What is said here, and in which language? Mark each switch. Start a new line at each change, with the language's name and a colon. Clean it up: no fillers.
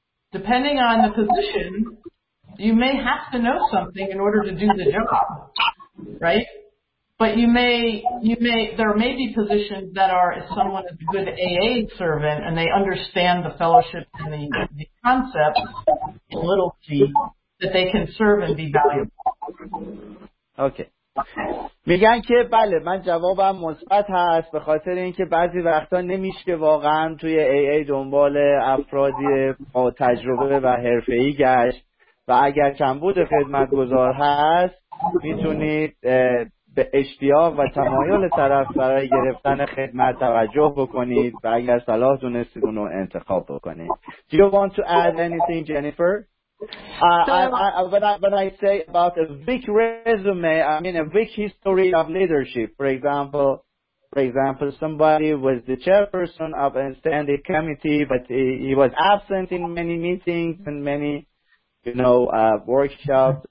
English: Depending on the position, you may have to know something in order to do the job, right? But there may be positions that are someone is a good AA servant and they understand the fellowship and the concept, little c, that they can serve and be valuable. Okay.
Persian: میگن که بله من جوابم مثبت هست به خاطر اینکه بعضی وقتا نمیشه واقعا توی AA دنبال افرادی با تجربه و حرفه‌ای گشت و اگر کمبود خدمتگزار هست میتونید به اشتیاق و تمایل طرف برای گرفتن خدمت توجه بکنید و اگر صلاح دونستید اونو انتخاب بکنید.
English: Do you want to add anything, Jennifer? When I say about a weak resume, I mean a weak history of leadership. For example, somebody was the chairperson of a standing committee, but he was absent in many meetings and many, workshops.